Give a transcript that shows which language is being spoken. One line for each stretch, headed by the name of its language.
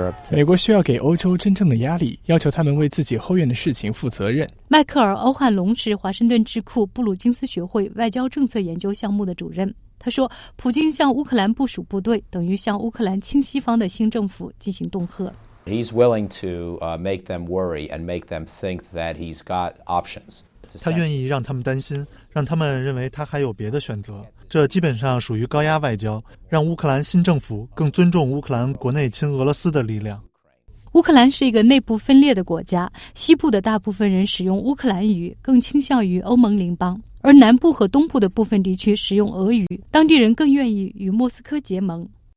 Chinese: 美国需要给欧洲真正的压力，要求他们为自己后院的事情负责任。迈克尔·欧汉龙是华盛顿智库布鲁金斯学会外交政策研究项目的主任，他说普京向乌克兰部署部队等于向乌克兰亲西方的新政府进行恫吓。
English: He's willing to make them worry and make them think that he's got options.
Chinese: 他愿意让他们担心，让他们认为他还有别的选择，这基本上属于高压外交，让乌克兰新政府更尊重乌克兰国内亲俄罗斯的力量。乌克兰是一个内部分裂的国家，西部的大部分人使用乌克兰语，更倾向于欧盟邻邦，而南部和东部的部分地区使用俄语，当地人更愿意与莫斯科结盟。